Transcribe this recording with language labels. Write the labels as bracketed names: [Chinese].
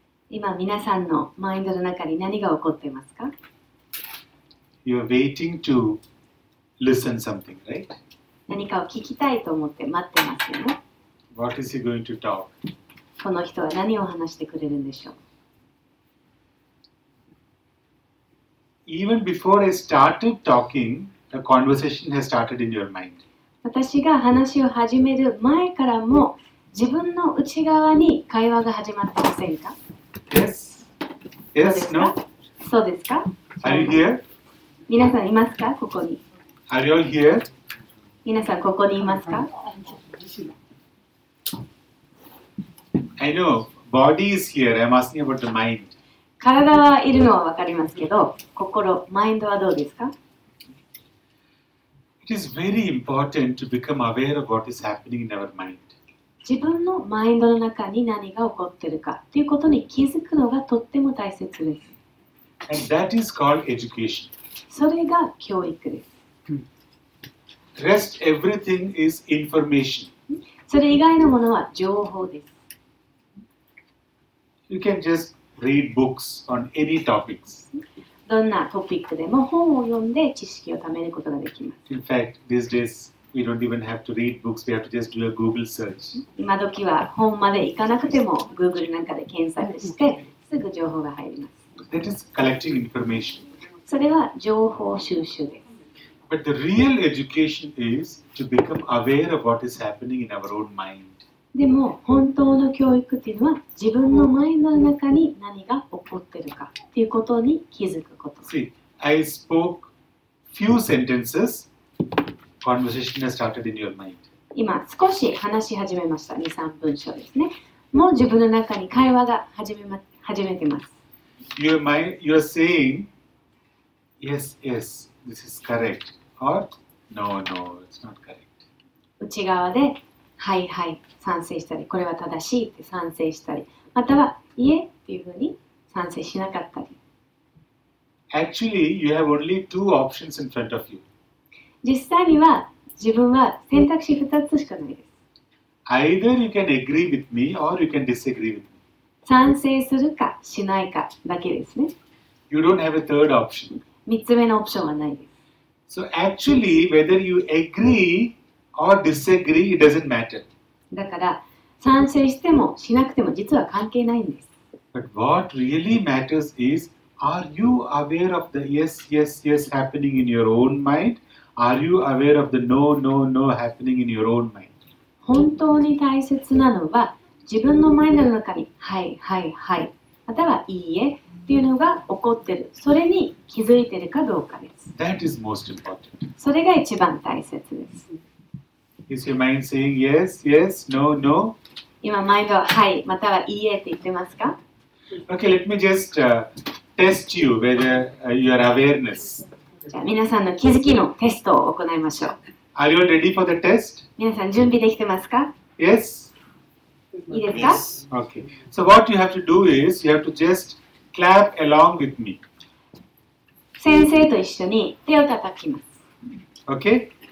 [Japanese] 今皆さんのマインドの中に何が起こっていますか？ [English] You are waiting to listen something, right? [Japanese] 何かを聞きたいと思って待ってますよね。 [English] What is he going to talk? [Japanese] この人は何を話してくれるんでしょう？ [English] Even before I started talking, the conversation has started in your mind. [Japanese] 私が話を始める前からも自分の内側に会話が始まっていませんか？ [English] Yes, no? [Japanese] そうですか？ [English] Are you here? [Japanese] 皆さんいますか？ここに。 [English] Are you here? [Japanese] 皆さんここにいますか？ [English] I know, body is here. I'm asking about the mind. [Japanese] 体はいるのは分かりますけど、心、マインドはどうですか？ [English] It is very important to become aware of what is happening in our mind. [Japanese] 自分のマインドの中に何が起こっているかということに気づくのがとっても大切です。 [English] And that is called education. [Japanese] それが教育です。 [English] Rest everything is information. [Japanese] それ以外のものは情報です。 [English] You can just read books on any topics. [Japanese] どんなトピックでも本を読んで知識を貯めることができます。 [English] In fact, these days,We don't even have to read books. We have to just do a Google search. [Japanese] 今時は本まで行かなくても Google なんかで検索してすぐ情報が入ります。 [English] That is collecting information. [Japanese] それは情報収集です。 [English] But the real education is to become aware of what is happening in our own mind. [Japanese] でも本当の教育というのは自分のマインドの中に何が起こっているかということに気づくこと。 [English] See, I spoke few sentences. Conversation has started in your mind. [Japanese] 今少し話し始めました。2、3文章ですね。もう自分の中に会話が始めてます。 [English] You're saying, yes, yes, this is correct. Or, no, no, it's not correct. [Japanese] 内側で、はいはい、賛成したり、これは正しいって賛成したり、または、いえっていうふうに賛成しなかったり。 [English] actually you have only two options in front of you. [Japanese] 実際には自分は選択肢2つしかないです。 [English] Either you can agree with me or you can disagree with me. [Japanese] 賛成するかしないかだけですね。 [English] You don't have a third option. [Japanese] 3つ目のオプションはないです。 [English] So actually whether you agree or disagree it doesn't matter. [Japanese] だから賛成してもしなくても実は関係ないんです。 [English] But what really matters is, are you aware of the yes, yes, yes happening in your own mind? Are you aware of the no, no, no happening in your own mind? [Japanese] 本当に大切なのは、自分のマインドの中に、はい、はい、はい、またはいいえっていうのが起こってる。それに気づいてるかどうかです。 [English] That is most important. [Japanese] それが一番大切です。 [English] Is your mind saying yes, yes, no, no? [Japanese] 今マインドははいまたはいいえって言ってますか [English] ？Okay, let me just test you whether your awareness. [Japanese] じゃあ皆さんの気づきのテストを行いましょう。 [English] Are you ready for the test? [Japanese] 皆さん準備できてますか [English] ？Yes. [Japanese] いいですか [English] ？Okay. So what you have to do is you have to just clap along with me. [Japanese] 先生と一緒に手を叩きます。 [English] Okay.